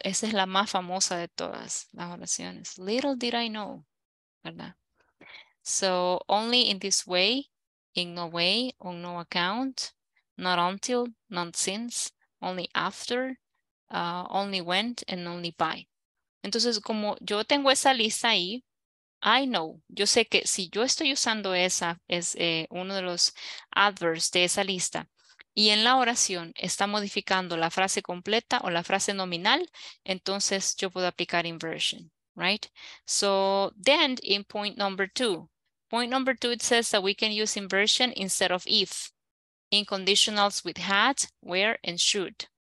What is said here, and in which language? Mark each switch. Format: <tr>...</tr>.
<es>Esa es la más famosa de todas las oraciones.</es> <en>Little did I know, ¿verdad? So only in this way, in no way, on no account, not until, not since, only after, only when, and only by.</en> <es>Entonces, como yo tengo esa lista ahí, I know, yo sé que si yo estoy usando esa, es uno de los adverbs de esa lista, y en la oración está modificando la frase completa o la frase nominal, entonces yo puedo aplicar inversion, right?</es> <en>So then in point number two, it says that we can use inversion instead of if, in conditionals with had, where, and should.</en>